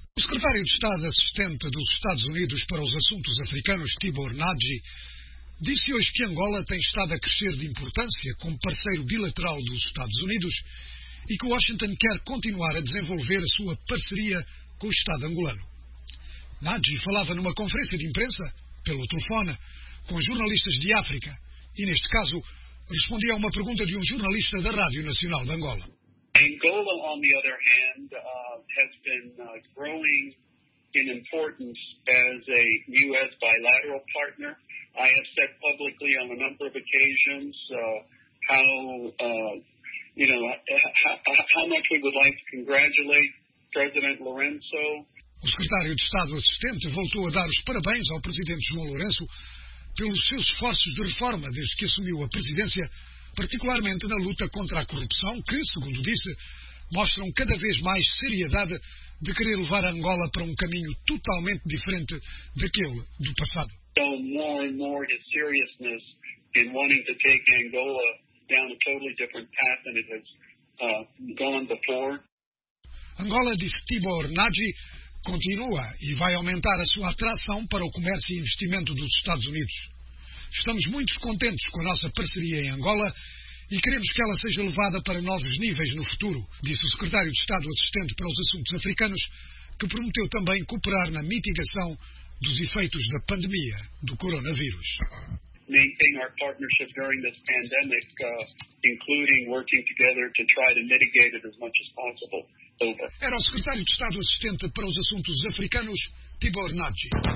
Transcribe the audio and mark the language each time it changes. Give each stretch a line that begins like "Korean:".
Portuguese: O secretário de Estado assistente dos Estados Unidos para os Assuntos Africanos, Tibor Nagy, disse hoje que Angola tem estado a crescer de importância como parceiro bilateral dos Estados Unidos e que Washington quer continuar a desenvolver a sua parceria com o Estado angolano. Nagy falava numa conferência de imprensa, pelo telefone, com jornalistas de África e, neste caso, respondia a uma pergunta de um jornalista da Rádio Nacional de Angola.
English: Angola, on the other hand, has been growing in importance as a U.S. bilateral partner. I have said publicly on a number of occasions how much we would like to congratulate President Lourenço.
Portuguese: O secretário de Estado assistente voltou a dar os parabéns ao presidente João Lourenço pelos seus esforços de reforma desde que assumiu a presidência, particularmente na luta contra a corrupção, que, segundo disse, mostram cada vez mais seriedade de querer levar a Angola para um caminho totalmente diferente daquele do passado.
English: Show more and more its seriousness in wanting to take Angola down a totally different path than it has gone before.
Portuguese: Angola, disse Tibor Nagy, continua e vai aumentar a sua atração para o comércio e investimento dos Estados Unidos. Estamos muito contentes com a nossa parceria em Angola e queremos que ela seja levada para novos níveis no futuro, disse o secretário de Estado assistente para os Assuntos Africanos, que prometeu também cooperar na mitigação dos efeitos da pandemia do coronavírus.
English: Maintain our partnership during this pandemic, including working together to try to mitigate it as much as possible. Over.
Portuguese: Era o secretário de Estado assistente para os assuntos africanos, Tibor Nagy.